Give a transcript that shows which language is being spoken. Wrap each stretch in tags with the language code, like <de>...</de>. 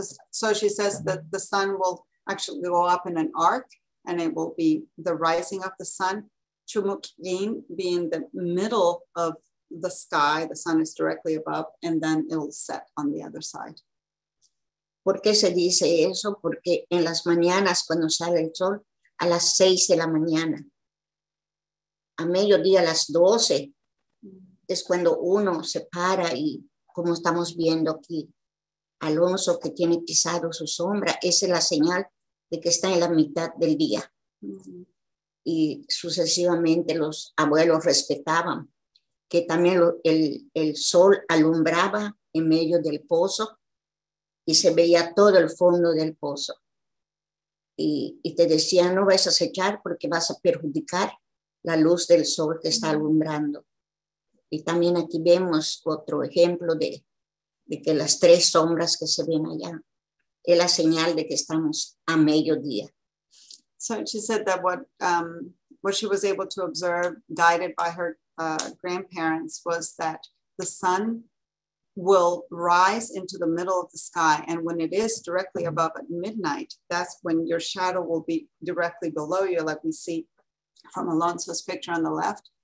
<en>So she says that the sun will actually go up in an arc, and it will be the rising of the sun. Chumukin being the middle of the sky, the sun is directly above, and then it'll set on the other side.</en> <es>¿Por qué se dice eso? Porque en las mañanas, cuando sale el sol, a las 6 de la mañana, a mediodía, a las 12, es cuando uno se para y, como estamos viendo aquí, Alonso, que tiene pisado su sombra, esa es la señal de que está en la mitad del día. Mm-hmm. Y sucesivamente los abuelos respetaban que también el sol alumbraba en medio del pozo y se veía todo el fondo del pozo. Y te decía, no vas a acechar porque vas a perjudicar la luz del sol que está alumbrando. Y también aquí vemos otro ejemplo de que las tres sombras que se ven allá es la señal de que estamos a mediodía.</es> <en>So she said that what she was able to observe, guided by her grandparents, was that the sun will rise into the middle of the sky. And when it is directly above at midnight, that's when your shadow will be directly below you, like we see from Alonso's picture on the left.</en>